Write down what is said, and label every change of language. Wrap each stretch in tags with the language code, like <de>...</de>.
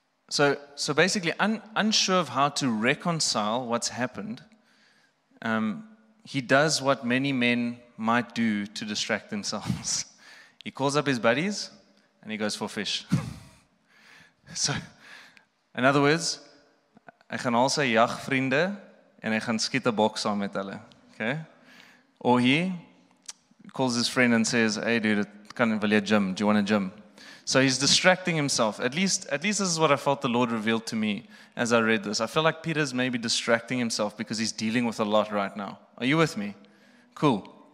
<en>So basically, unsure of how to reconcile what's happened, he does what many men might do to distract themselves. He calls up his buddies, and he goes for fish. So, in other words,</en> <af>ek gaan al sy jagvriende en ek gaan skiet 'n bok saam met hulle.</af> <en>Okay? Or he calls his friend and says, "Hey, dude,</en> <af>kan wil jy gym?</af> <en>Do you want a gym?" So he's distracting himself. At least this is what I felt the Lord revealed to me as I read this. I feel like Peter's maybe distracting himself because he's dealing with a lot right now. Are you with me? Cool.</en>